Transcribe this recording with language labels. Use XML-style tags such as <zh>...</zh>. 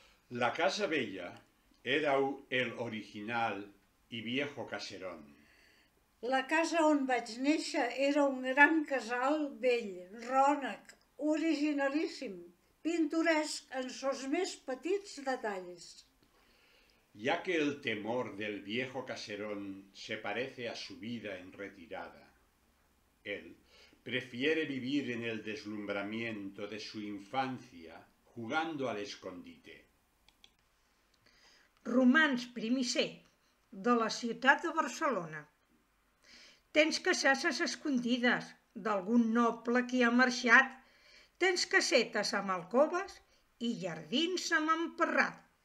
<es>La Casa Bella era el original i viejo caserón.</es> <ca>La casa on vaig néixer era un gran casal vell, rònec, originalíssim, pintoresc en sos més petits detalls.</ca> <es>Ya que el temor del viejo caserón se parece a su vida en retirada, él prefiere vivir en el deslumbramiento de su infancia jugando al escondite.</es> <ca>Romans primicer, de la ciutat de Barcelona. Tens casasses escondides d'algun noble que ha marxat. Tens casetes amb alcoves i jardins amb emperrat.</ca>